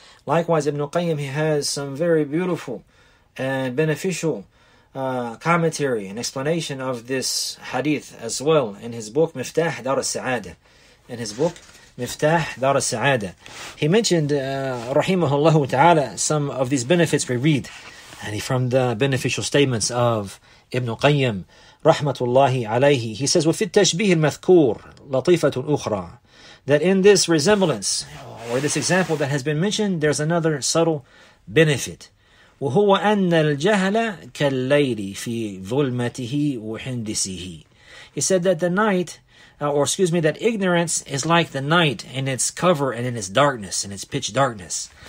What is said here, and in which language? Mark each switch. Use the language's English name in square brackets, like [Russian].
[English] Likewise, Ibn Qayyim, he has some very beautiful and beneficial commentary and explanation of this hadith as well in his book Miftah Dar al-Sa'adah. Miftah Dar al-Sa'adah. He mentioned, rahimahullahu ta'ala, some of these benefits we read, and from the beneficial statements of Ibn Qayyim, rahmatullahi alayhi. He says, [Arabic] وَفِي التَّشْبِيهِ الْمَذْكُورِ لَطِيفَةٌ أُخْرَى. [English] That in this resemblance, or this example that has been mentioned, there's another subtle benefit. [Arabic] وَهُوَ أَنَّ الْجَهْلَ كَاللَّيْلِ فِي ظُلْمَتِهِ وَحِنْدِسِهِ. [English] He said that the night, that ignorance is like the night in its cover and in its darkness, in its pitch darkness.